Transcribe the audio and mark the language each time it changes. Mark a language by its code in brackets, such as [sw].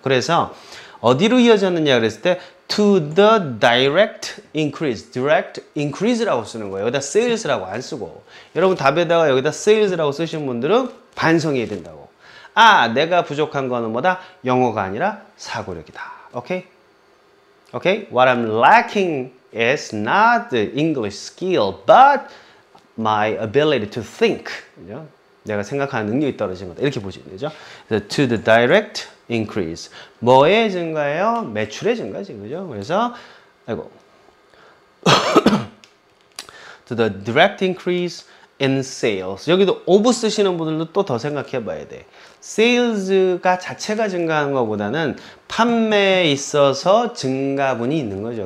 [ko] 그래서 어디로 이어졌느냐 그랬을 때 [en] to the direct increase, direct increase [ko] 라고 쓰는 거예요. 여기다 sales라고 안 쓰고. 여러분 답에다가 여기다 sales라고 쓰신 분들은 반성해야 된다고. 아, 내가 부족한 거는 뭐다? 영어가 아니라 사고력이다. 오케이? [en] Okay, what I'm lacking is not the English skill, but my ability to think. [ko] 그죠? 내가 생각하는 능력이 떨어진 거다. 이렇게 보시면 되죠. [en] So, to the direct increase. [ko] 뭐의 증가예요? 매출의 증가지. 그죠? 그래서, 아이고. [en] to the direct increase in sales. [ko] 여기도 of 쓰시는 분들도 또 더 생각해 봐야 돼. sales가 자체가 증가하는 것보다는 판매에 있어서 증가분이 있는 거죠.